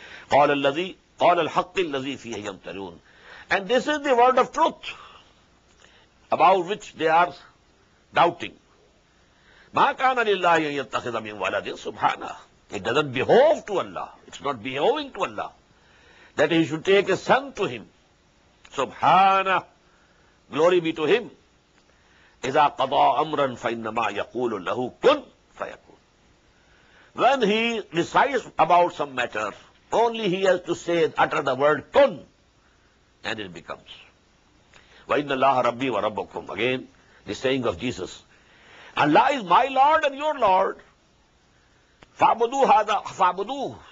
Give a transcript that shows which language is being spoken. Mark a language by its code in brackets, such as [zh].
[ar] قال الحق الذي فيه يمترون. [en] And this is the word of truth about which they are doubting. [ar] ما كان لله أن يتخذ من ولد سبحانه. [en] It doesn't behove to Allah. It's not behoving to Allah that He should take a son to Him. [ar] سبحانه. [en] Glory be to Him. [ar] إذا قضى أمرا فإنما يقول له كن فيكون. [en] When He decides about some matter, only He has to say, utter the word kun, and it becomes. [ar] وَإِنَّ اللَّهَ رَبِّي وَرَبُّكُمْ. [en] Again, the saying of Jesus. Allah is my Lord and your Lord. [ar] فَعْبُدُوهُ هَذَا فَعْبُدُوهُ.